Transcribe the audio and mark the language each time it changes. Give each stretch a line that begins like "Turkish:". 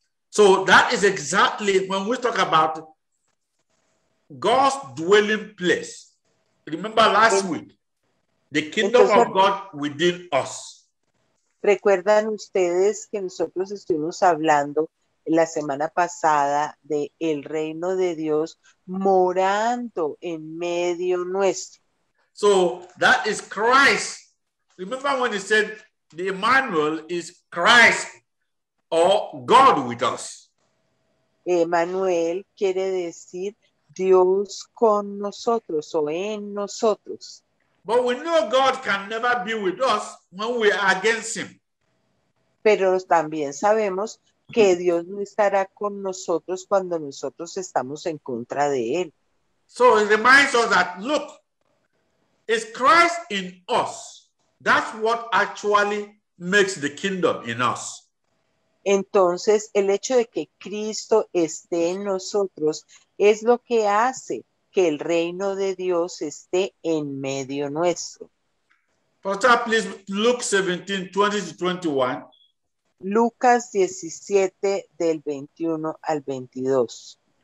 English: So that is exactly when we talk about God's dwelling place. Remember last week, the kingdom of God within us.
Spanish: ¿Recuerdan ustedes que nosotros estuvimos hablando la semana pasada de el reino de Dios morando en medio nuestro?
English: So that is Christ. Remember when he said the Emmanuel is Christ or God with us.
Spanish: Emmanuel quiere decir Dios con nosotros o en nosotros.
English: But we know God can never be with us when we are against him.
Spanish: Pero también sabemos que Dios no estará con nosotros cuando nosotros estamos en contra de él.
English: So it reminds us that, look, it's Christ in us. That's what actually makes the kingdom in us.
Spanish: Entonces, el hecho de que Cristo esté en nosotros es lo que hace que el reino de Dios esté en medio nuestro.
English: Pastor, please, Luke 17, 20 to 21.
Spanish: Lucas 17, del 21 al 22.